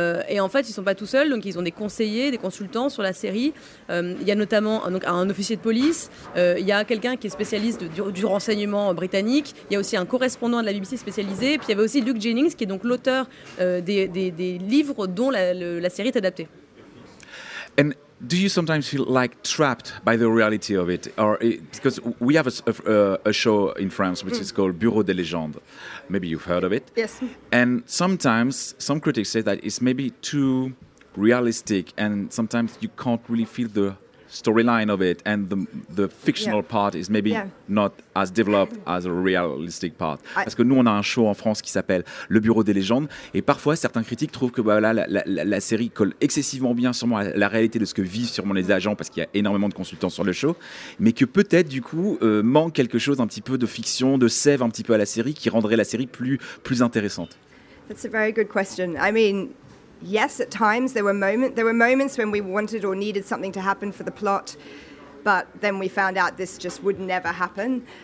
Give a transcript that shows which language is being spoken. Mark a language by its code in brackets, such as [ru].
[fr] Et en fait, ils ne sont pas tout seuls, donc ils ont des conseillers, des consultants sur la série. Il y a notamment un officier de police, il y a quelqu'un qui est spécialiste du renseignement britannique, il y a aussi un correspondant de la BBC spécialisé, puis il y avait aussi Luke Jennings, qui est donc l'auteur des livres dont la série est adaptée. [en] Do you sometimes feel like trapped by the reality of it, or because we have a show in France which is called Bureau des Légendes, maybe you've heard of it. Yes. And sometimes some critics say that it's maybe too realistic, and sometimes you can't really feel the storyline of it, and the fictional part is maybe not as developed as a realistic part. [fr] Parce que nous, on a un show en France qui s'appelle Le Bureau des Légendes, et parfois certains critiques trouvent que la série colle excessivement bien sûrement à la réalité de ce que vivent sûrement les agents, parce qu'il y a énormément de consultants sur le show, mais que peut-être du coup manque quelque chose un petit peu de fiction, de sève un petit peu à la série, qui rendrait la série plus intéressante. [en] That's a very good question. I mean, yes, at times there were moments when we wanted or needed something to happen for the plot, but then we found out this just would never happen.